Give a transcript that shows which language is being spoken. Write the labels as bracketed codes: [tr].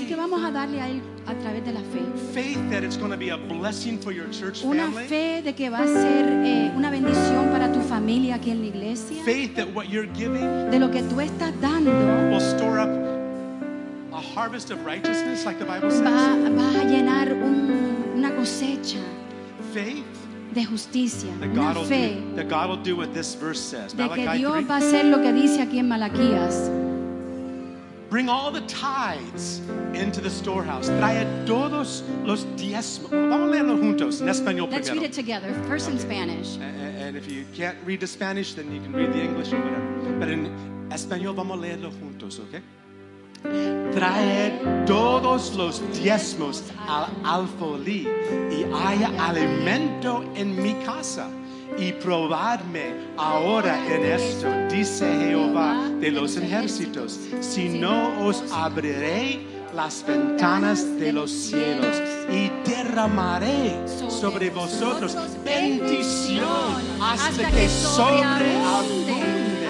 [es] Así que vamos a darle a Él a través de la fe. [en] Faith that it's going to be a blessing for your church family. [es] Una fe de que va a ser una bendición para tu familia aquí en la iglesia. [en] Faith that what you're giving, [es] de lo que tú estás dando, [en] will store up a harvest of righteousness, like the Bible says. [es] Va a llenar una cosecha. [en] Faith. [es] De justicia, [en] that God [es] una fe. [en] Do, that God will do what this verse says. [es] De que Dios 3. Va a hacer lo que dice aquí en Malaquías. [en] Bring all the tithes into the storehouse. [es] Trae todos los diezmos. Vamos a leerlo juntos en español primero. [en] Let's read it together, first in Spanish. And if you can't read the Spanish, then you can read the English or whatever. But in [es] español vamos a leerlo juntos, okay? Trae todos los diezmos al alfolí y haya alimento en mi casa. Y probadme ahora en esto, dice Jehová de los ejércitos, si no os abriré las ventanas de los cielos y derramaré sobre vosotros bendición hasta que sobreabunde.